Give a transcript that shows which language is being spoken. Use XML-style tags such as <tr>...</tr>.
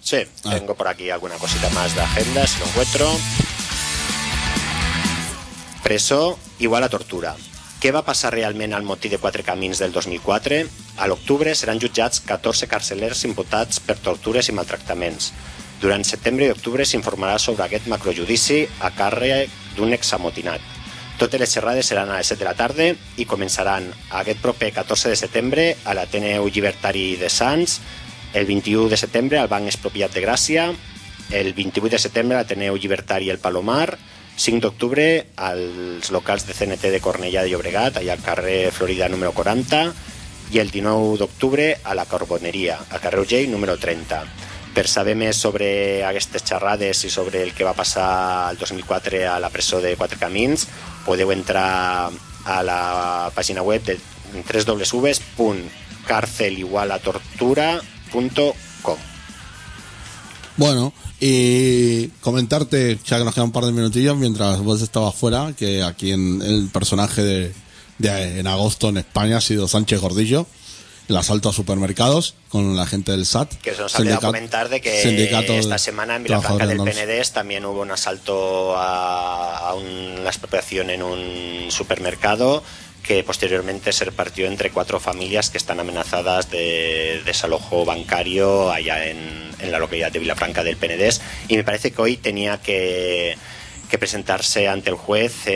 <es>Sí, tengo por aquí alguna cosita más de agenda, si lo encuentro.</es> <ca>Presó igual a tortura. Què va passar realment al motí de Quatre Camins del 2004? A l'octubre seran jutjats 14 carcelers imputats per tortures i maltractaments. Durant setembre i octubre s'informarà sobre aquest macrojudici a càrrec d'un examotinat. Totes les xerrades seran a les 7 de la tarda i començaran aquest proper 14 de setembre a l'Ateneu Llibertari de Sants, el 21 de setembre al Banc Expropiat de Gràcia, el 28 de setembre a l'Ateneu Llibertari El Palomar, 5 d'octubre als locals de CNT de Cornellà de Llobregat, allà al carrer Florida número 40, i el 19 d'octubre a la Carboneria, al carrer Urgell número 30. Per saber més sobre aquestes xerrades i sobre el que va passar el 2004 a la presó de Quatre Camins, podeu entrar a la pàgina web de www.carceligualatortura.com.</ca> <es>Bueno, y comentarte, ya que nos quedan un par de minutillos, mientras vos estabas fuera, que aquí en el personaje de en agosto en España ha sido Sánchez Gordillo, el asalto a supermercados con la gente del SAT. Que se nos ha olvidado comentar de que esta semana en Villafranca del Penedès también hubo un asalto a una expropiación en un supermercado que posteriormente se repartió entre cuatro familias que están amenazadas de desalojo bancario allá en la localidad de Villafranca del Penedès, y me parece que hoy tenía que presentarse ante el juez</es>